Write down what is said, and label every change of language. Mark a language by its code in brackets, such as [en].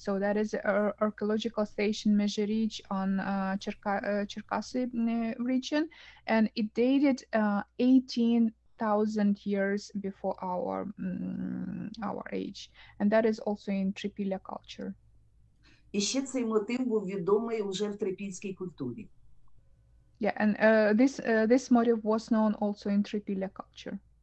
[en] So that is our archaeological station Mezhirich on Cherkasy region, and it dated 18,000 years before our age, and that is also in Tripilia culture. [uk] І ще цей мотив був відомий уже в Трипільській культурі. [en] Yeah, and this motif was known also in Tripilia culture.